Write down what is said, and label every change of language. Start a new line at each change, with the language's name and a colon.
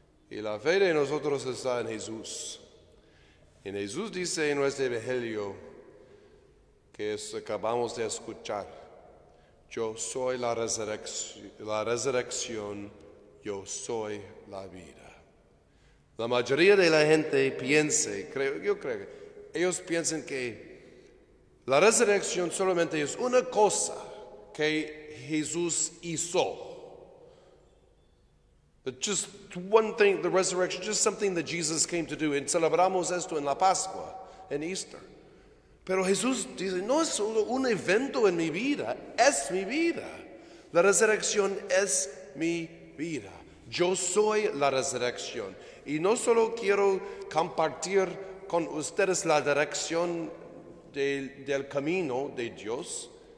Spanish: Y la fe de nosotros está en Jesús. Y Jesús dice en nuestro Evangelio que acabamos de escuchar, "Yo soy la resurrección, yo soy la vida." La mayoría de la gente piensa, yo creo, ellos piensan que la resurrección solamente es una cosa que Jesús hizo.
English: Just one thing, the resurrection, just something that Jesus came to do.
Spanish: Y celebramos esto en la Pascua, en Easter. Pero Jesús dice, no es solo un evento en mi vida, es mi vida. La resurrección es mi vida. Yo soy la resurrección. Y no solo quiero compartir con ustedes la dirección del camino de Dios.